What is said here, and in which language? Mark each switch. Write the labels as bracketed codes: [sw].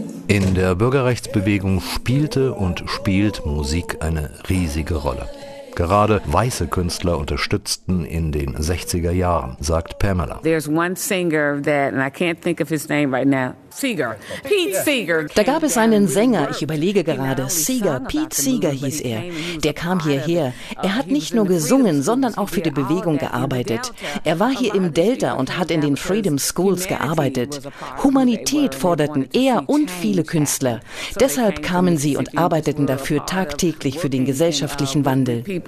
[de] In der Bürgerrechtsbewegung spielte und spielt Musik eine riesige Rolle. Gerade weiße Künstler unterstützten in den 60er Jahren, sagt Pamela. [en] There's one singer that, and I can't think of his name right now. Seeger. Pete Seeger. [de] Da gab es einen Sänger, ich überlege gerade, Seeger, Pete Seeger hieß er. Der kam hierher. Er hat nicht nur gesungen, sondern auch für die Bewegung gearbeitet. Er war hier im Delta und hat in den Freedom Schools gearbeitet. Humanität forderten er und viele Künstler. Deshalb kamen sie und arbeiteten dafür tagtäglich für den gesellschaftlichen Wandel.